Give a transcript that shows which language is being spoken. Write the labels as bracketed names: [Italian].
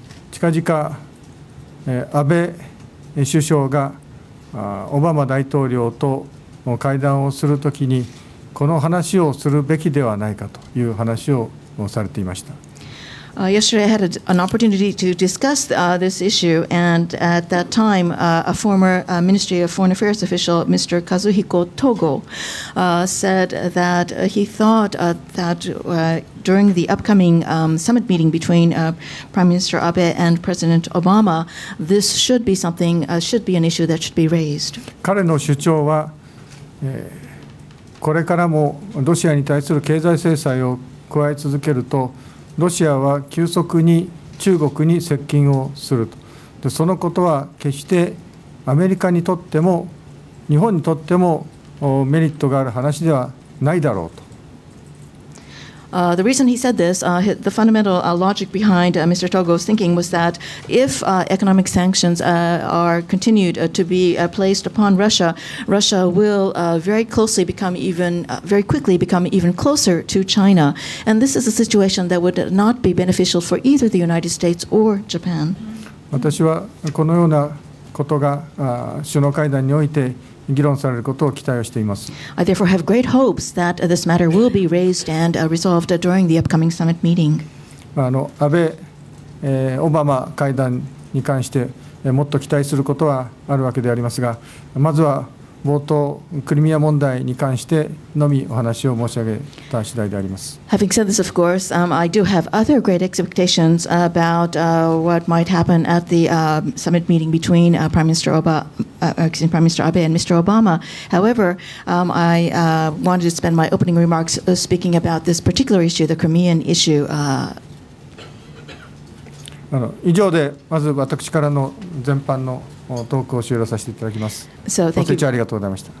[Japanese] 近々、安倍首相がオバマ大統領と会談をするときにこの話をするべきではないかという話をされていました。 [English] Yesterday, I had an opportunity to discuss this issue, and at that time, a former Ministry of Foreign Affairs official, Mr. Kazuhiko Togo, said that he thought that during the upcoming summit meeting between Prime Minister Abe and President Obama, this should be something, should be an issue that should be raised. [Japanese] 彼の主張は、これからもロシアに対する経済制裁を加え続けると、ロシアは急速に中国に接近をすると。で、そのことは決してアメリカにとっても日本にとってもメリットがある話ではないだろうと。 [English] The reason he said this, the fundamental logic behind Mr. Togo's thinking was that if economic sanctions are continued to be placed upon Russia, Russia will very quickly become even closer to China. And this is a situation that would not be beneficial for either the United States or Japan. [Japanese] 私はこのようなことが首脳会談において議論されることを期待をしています。 [English] I therefore have great hopes that this matter will be raised and resolved during the upcoming summit meeting. [Japanese] 安倍、オバマ会談に関して、もっと期待することはあるわけでありますが、まずは冒頭クリミア問題に関してのみお話を申し上げた次第であります。 [English] Having said this, of course, I do have other great expectations about what might happen at the summit meeting between Prime Minister Abe and Mr. Obama. However, I wanted to spend my opening remarks speaking about this particular issue, the Crimean issue. [Japanese] 以上でまず私からの全般のトークを終了させていただきます。 [English] So, [Japanese] ご清聴ありがとうございました。